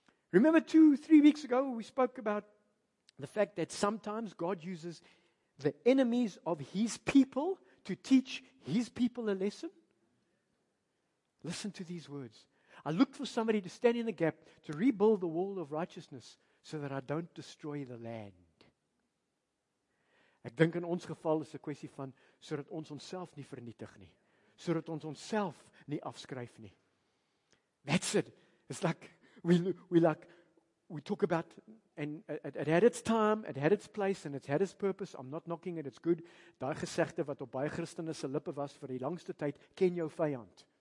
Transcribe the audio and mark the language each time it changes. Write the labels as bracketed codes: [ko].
[en] Remember 2-3 weeks ago we spoke about the fact that sometimes God uses the enemies of His people to teach His people a lesson? Listen to these words. I looked for somebody to stand in the gap to rebuild the wall of righteousness so that I don't destroy the land. [af] Ek dink in ons geval is 'n kwessie van sodat ons onsself nie vernietig nie. Sodat ons onsself nie afskryf nie. [en] That's it. It's like we talk about, and it had its time, it had its place, and it had its purpose. I'm not knocking it, it's good. [af] Daai gesegde wat op baie Christene se lippe was vir die langste tyd, ken jou vyand.